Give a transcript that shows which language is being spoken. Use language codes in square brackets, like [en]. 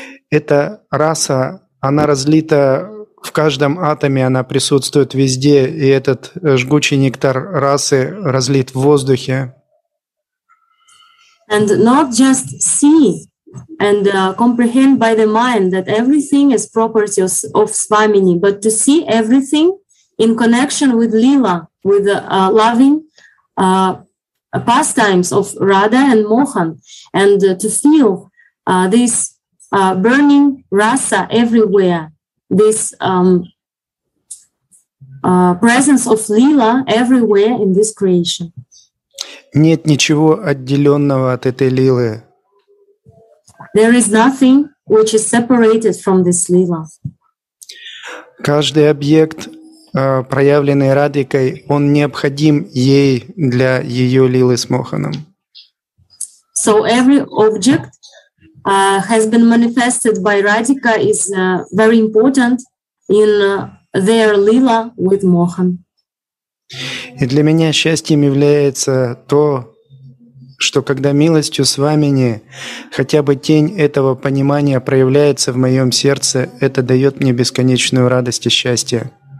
[ru] Эта раса, она разлита в каждом атоме, она присутствует везде, и этот жгучий нектар расы разлит в воздухе. [en] And not just see and comprehend by the mind that everything is property of Swamini, but to see everything in connection with Lila, with the loving pastimes of Radha and Mohan, and to feel this burning rasa everywhere, this presence of Lila everywhere in this creation. [ru] Нет ничего отделенного от этой лилы. [en] There is nothing which is separated from this lila. [ru] Каждый объект, проявленный Радикой, он необходим ей для ее лилы с Моханом. [en] So every object has been manifested by Radhika is very important in their lila with Mohan. [ru] И для меня счастьем является то, что когда милостью Свамини хотя бы тень этого понимания проявляется в моем сердце, это дает мне бесконечную радость и счастье.